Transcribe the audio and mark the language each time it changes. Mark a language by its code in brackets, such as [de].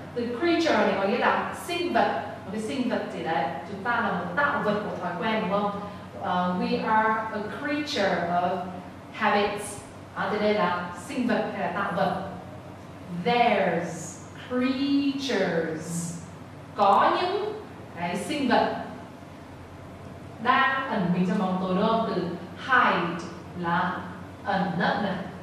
[vi] Từ creature này có nghĩa là sinh vật. Một cái sinh vật gì đấy. Chúng ta là một tạo vật của thói quen, đúng không? [en] We are a creature of habits. [vi] Thì đây là sinh vật hay là tạo vật. [en] There's creatures. [vi] Có những cái sinh vật đang ẩn mình trong bóng tối, đúng không? Từ hide là ẩn nấp này.